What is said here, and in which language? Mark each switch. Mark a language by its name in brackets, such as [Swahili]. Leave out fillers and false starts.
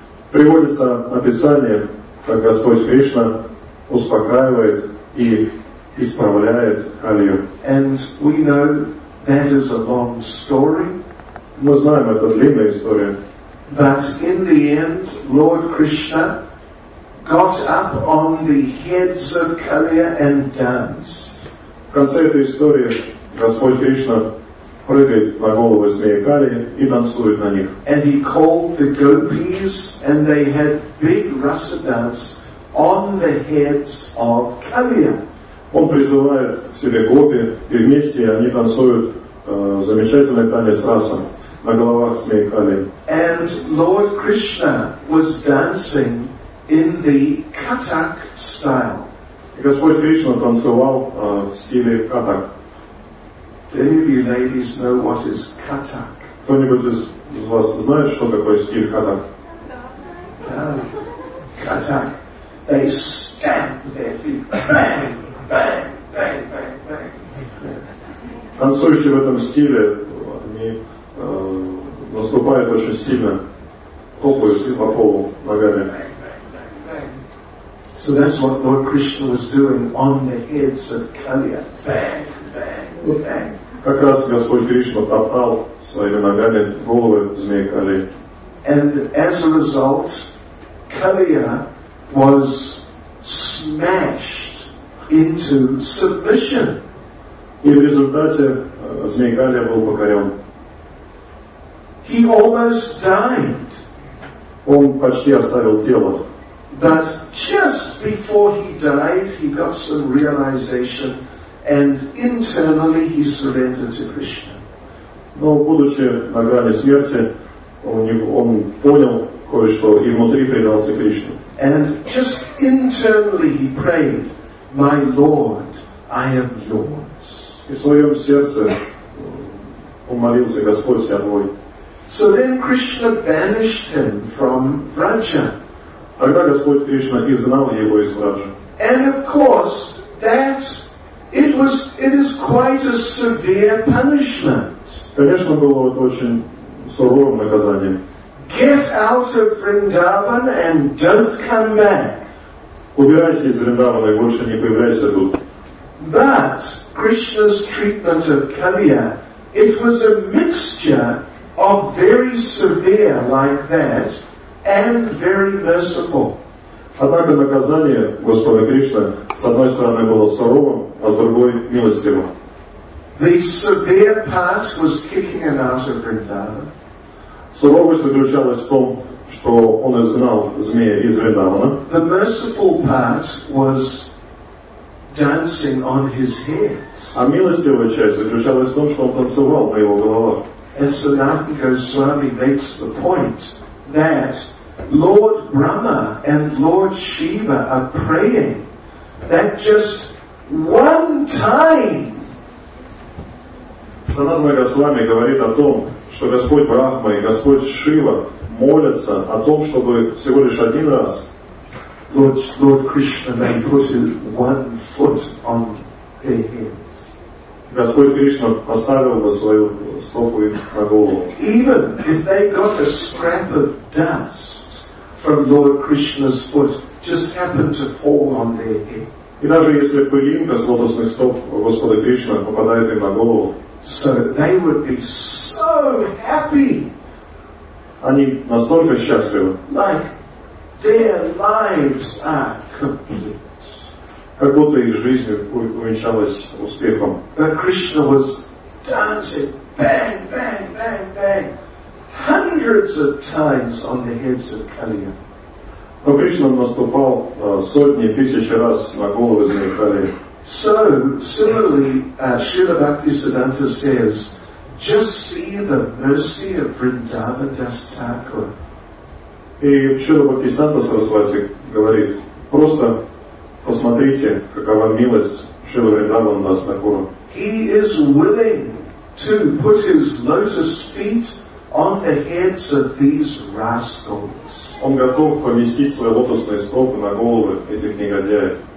[Russian] Приводится описание, как Господь Кришна успокаивает и исправляет Калию. [English] And we know that is a long story. [Russian] Мы знаем, это длинная история. [English] But in the end, Lord Krishna got up on the heads of Kaliya and danced. [Russian] В конце этой истории Господь Кришна прыгает на головы змеи Кали и танцует на них. [English] And he called the gopis and they had big rasa dance on the heads of Kaliya. [Russian] Он призывает к себе гопи и вместе они танцуют замечательный танец раса на головах змеи Кали. [English] And Lord Krishna was dancing in the Katak style. [Russian] И Господь Кришна танцевал в стиле Катак. [English] Do any of you ladies know what is Katak? [Russian] Кто-нибудь из вас знает, что такое стиль Катак? [English] Katak. They stamp their feet. Bang, bang, bang, bang, bang. [Russian] Танцующие в этом стиле, они наступают очень сильно, топают по полу ногами. [English] So that's what Lord Krishna was doing on the heads of Kaliya. Bang, bang, bang. [Russian] Как раз Господь Кришна топтал своими ногами головы змеи Кали. [English] And as a result, Kaliya was smashed into submission. [Russian] И в результате змей Кали был покорен. [English] He almost died. [Russian] Он почти оставил тело. [English] But just before he died, he got some realization. And internally he surrendered to Krishna. [Russian] Но будучи на грани смерти, он понял кое-что, и внутри предался Кришне. [English] And just internally he prayed, my Lord, I am yours. [Russian] И в своем сердце умолился, Господь, я твой. [English] So then Krishna banished him from Vraja. [Russian] Тогда Господь Кришна изгнал его из Враджа. [English] And of course, that it is quite a severe punishment. [Russian] Конечно, было это очень суровым наказанием. [English] Get out of Vrindavan and don't come back. [Russian] Убирайся из Вриндавана и больше не появляйся тут. [English] But Krishna's treatment of Kaliya, it was a mixture of very severe like that and very merciful. [Russian] Однако наказание Господа Кришны с одной стороны было суровым, а с другой милостивым. [English] The severe part was kicking him out of Vrindavan. [Russian] Суровость заключалась в том, что он изгнал змея из Вриндавана. [English] The merciful part was dancing on his head. [Russian] А милостивая часть заключалась в том, что он танцевал на его головах. [English] And Sanatana Goswami makes the point that Lord Brahma and Lord Shiva are praying that just one time. [Russian] Sanatana Goswami говорит о том, что Господь Брахма и Господь Шива молятся о том, чтобы всего лишь один раз [English] Lord Krishna may put one foot on their heads. [Russian] Господь Кришна поставил бы свою стопу им на голову. [English] Even if they got a scrap of dust from Lord Krishna's foot just happened to fall on their head. [Russian] И даже если пылинка с лотосных стоп Господа Кришны попадает им на голову, [English] so they would be so happy. [Russian] Они настолько счастливы. [English] Like their lives are complete. [Russian] Как будто их жизнь увенчалась успехом. [English] But Krishna was dancing bang, bang, bang, bang, hundreds of times on the heads of Kaliya. [Russian] Но Кришна наступал сотни тысяч раз на головы змей Калия. [English] So, similarly, Śrīla Bhaktisiddhanta says, just see the mercy of Vrindavanas Thakur. [Russian] И Śrīla Bhaktisiddhanta Sarasvati говорит, просто посмотрите, какова милость Śrīla Vrindavanas Thakur. [English] He is willing to put his lotus feet on the heads of these rascals. [Russian] Он готов поместить свои лотосные стопы на головы этих негодяев.